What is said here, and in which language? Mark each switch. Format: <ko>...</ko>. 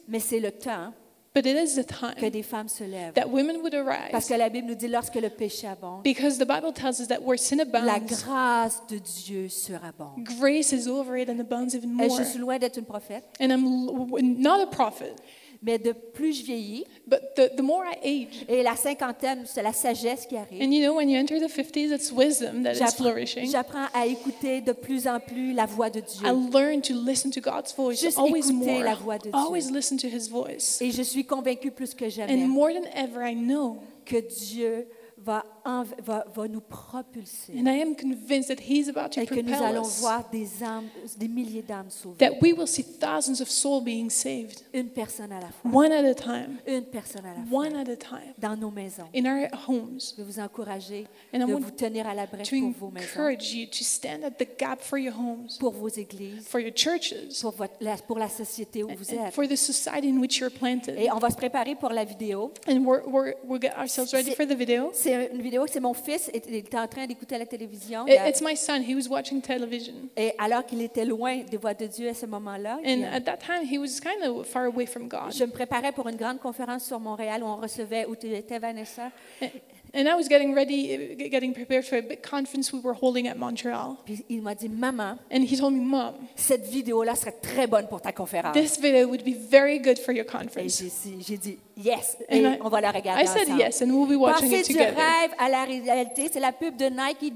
<fr>Mais c'est le temps.</fr> <en>But it is the time</en> <fr>que des femmes se lèvent.</fr> <en>That women would arise.</en> <fr>Parce que la Bible nous dit lorsque le péché abonde.</fr> <en>Because the Bible tells us that where sin abounds.</en> <fr>La grâce de Dieu surabonde.</fr> <en>Grace is over it and abounds even more.</en> <fr>Et je suis loin d'être une prophète.</fr> <en>And I'm not a prophet.</en> <fr>Mais de plus je vieillis,</fr> <en>but the more I age,</en> <fr>et la cinquantaine, c'est la sagesse qui arrive.</fr> <en>And you know, when you enter the 50s, it's wisdom that is flourishing.</en> <fr>J'apprends à écouter de plus en plus la voix de Dieu.</fr> <en>I learn to listen to God's voice.</en> <fr>Juste</fr> <en>always</en> <fr>écouter</fr> <en>more,</en> <fr>la voix de</fr> <en>always</en> <fr>Dieu.</fr> <en>Listen to His voice.</en> <fr>Et je suis convaincue plus que jamais.</fr> <en>And more than ever, I know</en> <fr>que Dieu va nous propulser.</fr> <en>And I am convinced that He's about to propel us.</en> <fr>Et que nous allons voir des âmes, des milliers d'âmes sauvées.</fr> <en>That we will see thousands of souls being saved.</en> <fr>Une personne à la fois.</fr> <en>One at a time.</en> <fr>Une personne à la fois.</fr> <en>One at a time.</en> <fr>Dans nos maisons.</fr> <en>In our homes.</en> <fr>Je vais vous encourager de vous tenir à l'abri pour vos maisons.</fr> <en>To encourage you to stand at the gap for your homes.</en> <fr>Pour vos églises.</fr> <en>For your churches.</en> <fr>Pour la société où vous êtes.</fr> <en>For the society in which you're planted.</en> <fr>Et on va se préparer pour la vidéo.</fr> <en>And we'll get ourselves ready for the video.</en> <fr>C'est une vidéo, c'est mon fils, il était en train d'écouter la télévision.</fr> <en>It's my son, he was watching television.</en> <fr>Et alors qu'il était loin des voix de Dieu à ce moment-là.</fr> <en>And at that time, he was kind of far away from God.</en> <fr>Je me préparais pour une grande conférence sur Montréal où on recevait, où tu étais, Vanessa.</fr> <en>And I was getting ready, getting prepared for a big conference we were holding at Montreal.</en> <fr>Puis il m'a dit, maman.</fr> <en>And he told me, mom.</en> <fr>Cette vidéo-là serait très bonne pour ta conférence.</fr> <en>This video would be very good for your conference.</en> <fr>Et j'ai dit, yes. Et on va la regarder ensemble.</fr> <en>I said yes, and we'll be watching it together.</en> <fr>Passer du rêve à la réalité, c'est la pub de Nike.</fr>